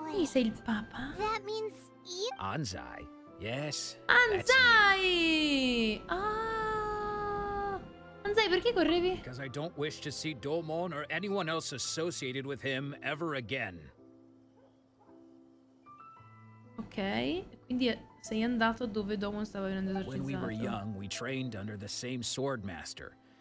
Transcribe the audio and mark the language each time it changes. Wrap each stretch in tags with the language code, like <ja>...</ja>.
<it>Quindi sei il papa?</it> <en>That means you... Anzai. Yes.</en> <it>Anzai! Ah! Anzai, perché correvi?</it> <en>Because I don't wish to see Domon or anyone else associated with him ever again.</en> <it>Ok, quindi sei andato dove Domon stava venendo esorcizzato.</it> <en>When we were young, we trained under the same swordmaster.</en>